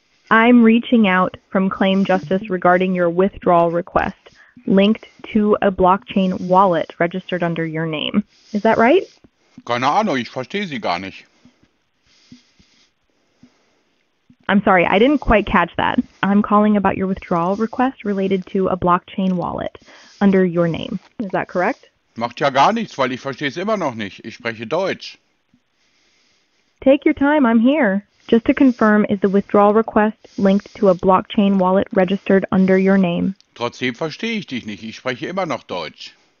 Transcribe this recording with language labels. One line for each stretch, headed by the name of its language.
English: I'm reaching out from Claim Justice regarding your withdrawal request linked to a blockchain wallet registered under your name. Is that right?
German: Keine Ahnung, ich verstehe Sie gar nicht.
English: I'm sorry, I didn't quite catch that. I'm calling about your withdrawal request related to a blockchain wallet under your name. Is that correct?
German: Macht ja gar nichts, weil ich verstehe es immer noch nicht. Ich spreche Deutsch.
English: Take your time, I'm here. Just to confirm, is the withdrawal request linked to a blockchain wallet registered under your name?
German: Trotzdem verstehe ich dich nicht. Ich spreche immer noch Deutsch.